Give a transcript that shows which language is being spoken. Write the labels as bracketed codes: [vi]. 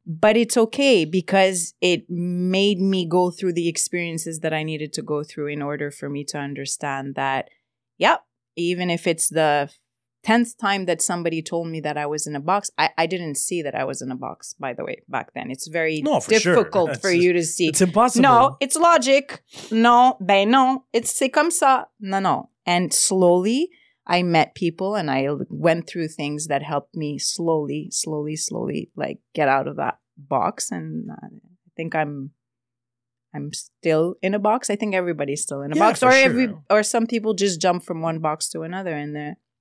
[en] But it's okay because it made me go through the experiences that I needed to go through in order for me to understand that, yep, even if it's the 10th time that somebody told me that I was in a box, I didn't see that I was in a box, by the way, back then. It's very difficult for you to see. It's impossible. No, it's logic. No, [fr] ben non, [en] it's [fr] c'est comme ça. [en] No, no. And slowly, I met people and I went through things that helped me slowly, like get out of that box. And I think I'm still in a box. I think everybody's still in a box. For or sure. Or some people just jump from one box to another in there.